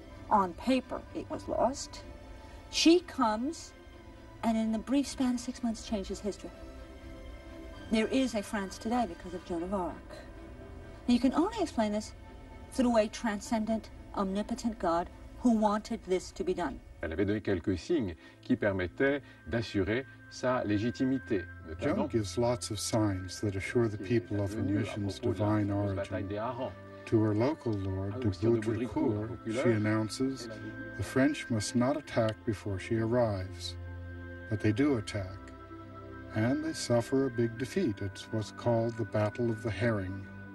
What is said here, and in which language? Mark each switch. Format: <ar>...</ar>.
<en>On paper, it was lost. She comes and in the brief span of 6 months changes history. There is a France today because of Joan of Arc. Now, you can only explain this through a transcendent, omnipotent God who wanted this to be done.</en> <fr>Elle avait donné quelques signes qui permettaient d'assurer sa légitimité.</fr> <en>Joan gives lots of signs that assure the people of her mission's divine origin. To her local lord, de Baudricourt, she announces, the French must not attack before she arrives. But they do attack. And they suffer a big defeat. It's what's called the Battle of the Herring.</en>